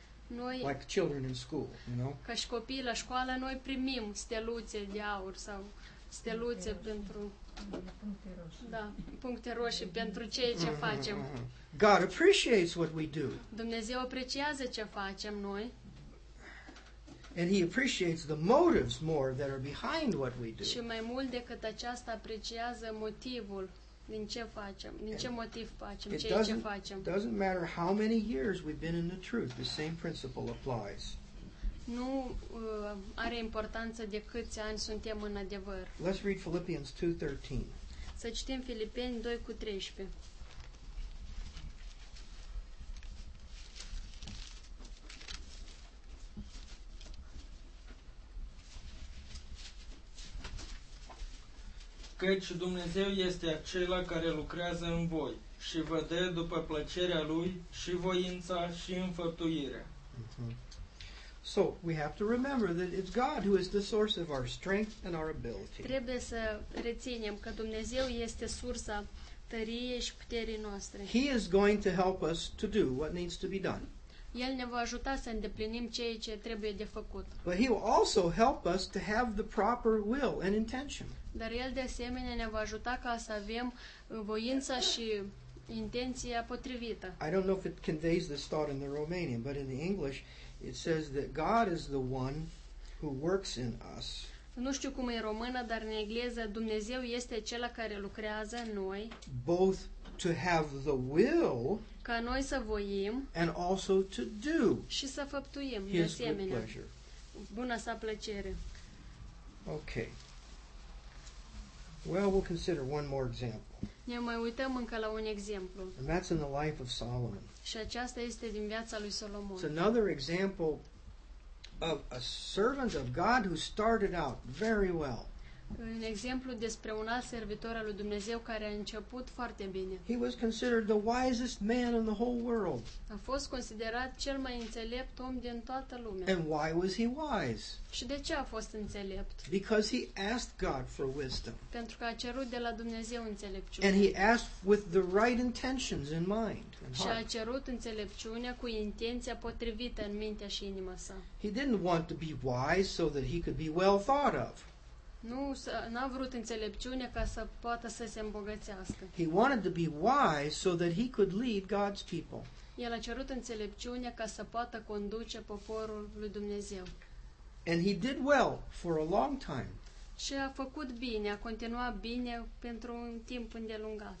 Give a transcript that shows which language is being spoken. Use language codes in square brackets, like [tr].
[ro] Noi, [en] like children in school, you know? [ro] Ca și copii la școală, noi primim steluțe de aur sau steluțe pentru puncte roșii. Da, puncte roșii pentru ceea ce facem. [en] God appreciates what we do. [ro] Dumnezeu apreciază ce facem noi. [en] And he appreciates the motives more that are behind what we do. [ro] Și mai mult decât aceasta apreciază motivul din ce facem, din ce motiv facem ceea ce facem. [en] It doesn't matter how many years we've been in the truth, the same principle applies. [ro] Nu are importanță de câți ani suntem în adevăr. [en] Let's read Philippians 2:13. [ro] Să citim Filipeni 2:13. Căci Dumnezeu este acela care lucrează în voi și vă dă după plăcerea Lui și voința și înfăptuirea. [en] So, we have to remember that it's God who is the source of our strength and our ability. [ro] Trebuie să reținem că Dumnezeu este sursa tăriei și puterii noastre. [en] He is going to help us to do what needs to be done. [ro] El ne va ajuta să îndeplinim ceea ce trebuie de făcut. [en] But he will also help us to have the proper will and intention. [ro] Dar El de asemenea ne va ajuta ca să avem voința și intenția potrivită. [en] I don't know if it conveys this thought in the Romanian, but in the English it says that God is the one who works in us. [ro] Nu știu cum e în română, dar în engleză Dumnezeu este acela care lucrează în noi. [en] Both to have the will, [ro] ca noi să voim, [en] and also to do. [ro] Și să făptuim de asemenea. Buna sa plăcere. [en] Okay. Well, we'll consider one more example. [ro] Ne mai uităm încă la un exemplu. [en] And that's in the life of Solomon. [ro] Și aceasta este din viața lui Solomon. [en] It's another example of a servant of God who started out very well. [ro] Un exemplu despre un alt servitor al lui Dumnezeu care a început foarte bine. [en] He was considered the wisest man in the whole world. [ro] A fost considerat cel mai înțelept om din toată lumea. [en] And why was he wise? [ro] Și de ce a fost înțelept? [en] Because he asked God for wisdom. [ro] Pentru că a cerut de la Dumnezeu înțelepciune. [en] And he asked with the right intentions in mind. [ro] Și a cerut înțelepciunea cu intenția potrivită în mintea și inima sa. [en] He didn't want to be wise so that he could be well thought of. [ro] Nu, n-a vrut înțelepciune ca să poată să se îmbogățească. [en] He wanted to be wise so that he could lead God's people. [ro] El a cerut înțelepciune ca să poată conduce poporul lui Dumnezeu. [en] And he did well for a long time. [ro] Și a făcut bine, a continuat bine pentru un timp îndelungat.